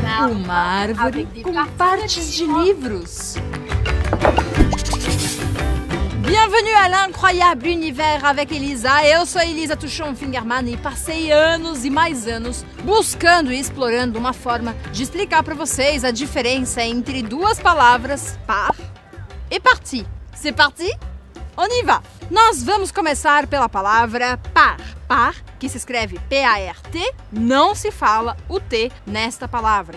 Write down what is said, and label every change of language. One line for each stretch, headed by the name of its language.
Portuguese: uma árvore com partes de livros.
French: Bienvenue à l'incroyable univers avec Elisa.
Portuguese: Eu sou a Elisa Tuchon-Fingerman e passei anos e mais anos buscando e explorando uma forma de explicar para vocês a diferença entre duas palavras, par e parti.
French: C'est parti? On y va!
Portuguese: Nós vamos começar pela palavra par. Par, que se escreve P-A-R-T, não se fala o T nesta palavra.